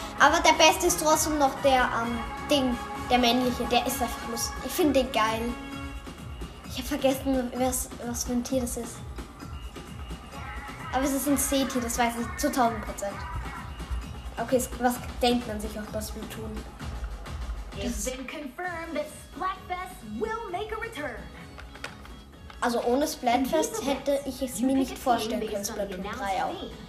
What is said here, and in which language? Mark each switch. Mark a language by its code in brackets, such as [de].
[de] Aber der Beste ist trotzdem noch der Ding, der männliche, der ist einfach lustig. Ich finde den geil. Ich habe vergessen, was für ein Tier das ist. Aber es ist ein Seetier, das weiß ich zu 1000%. Okay, was denkt man sich auch, was wir tun? [en] It's been confirmed that Splatfest will make a return. [de] Also ohne Splatfest hätte ich es mir nicht vorstellen können, Splatoon 3 auch.